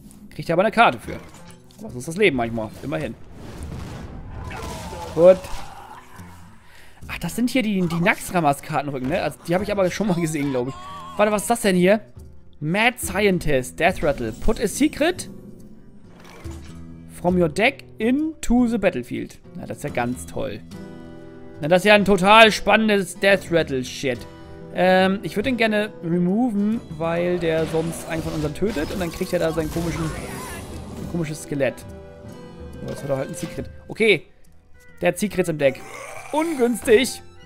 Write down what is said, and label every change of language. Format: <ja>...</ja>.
<de>Kriegt er aber eine Karte für. Aber so ist das Leben manchmal. Immerhin. Gut. Ach, das sind hier die Naxxramas-Kartenrücken, ne? Also, die habe ich aber schon mal gesehen, glaube ich. Warte, was ist das denn hier?</de> <en>Mad Scientist, Death Rattle. Put a secret from your deck into the battlefield.</en> <de>Na, das ist ja ganz toll. Na, das ist ja ein total spannendes Death Rattle-Shit. Ich würde den gerne removen, weil der sonst einen von unseren tötet. Und dann kriegt er da sein komisches Skelett. Oh, jetzt hat er halt ein Secret. Okay, der hat Secrets im Deck. Ungünstig.</de>